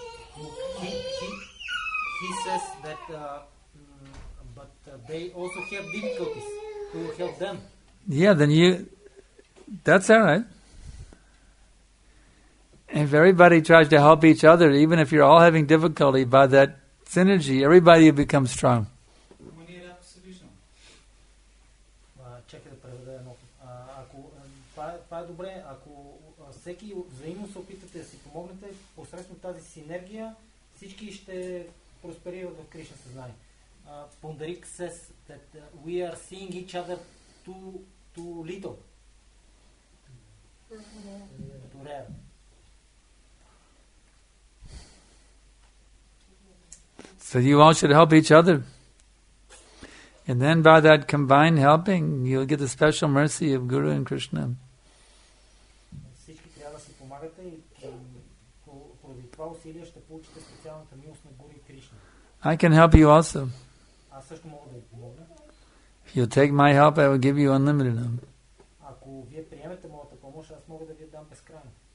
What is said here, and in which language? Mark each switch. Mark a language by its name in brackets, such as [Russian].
[English] He says that, but they also have difficulties. Help them. Yeah, then you. That's all right. If everybody tries to help each other, even if you're all having difficulty, by that synergy, everybody will become strong. We need a solution. [Bulgarian] Чакай да преведа едно. Ако това е добре, ако всеки взаимно се опитате да си помогнете, посредством тази синергия, всички ще просперират в Кришна съзнание. [English] Pundarik says that we are seeing each other too little. Too rare. So you all should help each other. And then by that combined helping, you'll get the special mercy of Guru and Krishna. [Bulgarian] Всички трябва да се помагате и поради това усилие ще получите специалната милост на Гуру и Кришна. [English] I can help you also. If you take my help, I will give you unlimited help. [Bulgarian] Ако вие приемете моята помощ, аз мога да ви дам безкрайно.